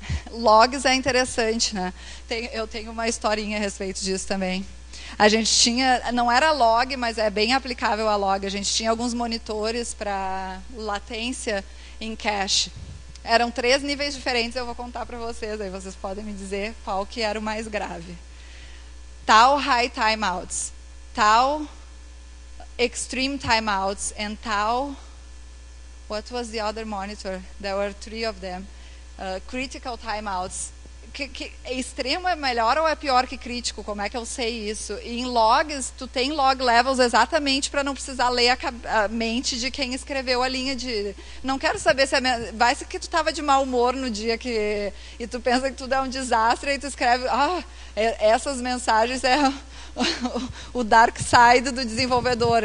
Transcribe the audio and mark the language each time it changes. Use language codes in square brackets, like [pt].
[pt] Logs é interessante, né? Eu tenho uma historinha a respeito disso também. A gente tinha, não era log, mas é bem aplicável a log. A gente tinha alguns monitores para latência em cache. Eram três níveis diferentes, eu vou contar para vocês, aí vocês podem me dizer qual que era o mais grave. [en] Tal high timeouts, tal extreme timeouts, and tal, what was the other monitor? There were three of them. Critical timeouts. [pt] Extremo é melhor ou é pior que crítico? Como é que eu sei isso? E em logs, tu tem [en] log levels [pt] exatamente para não precisar ler a mente de quem escreveu a linha de. Não quero saber se é. Vai ser que tu estava de mau humor no dia que. E tu pensa que tudo é um desastre e tu escreve. Essas mensagens é o [en] dark side [pt] do desenvolvedor.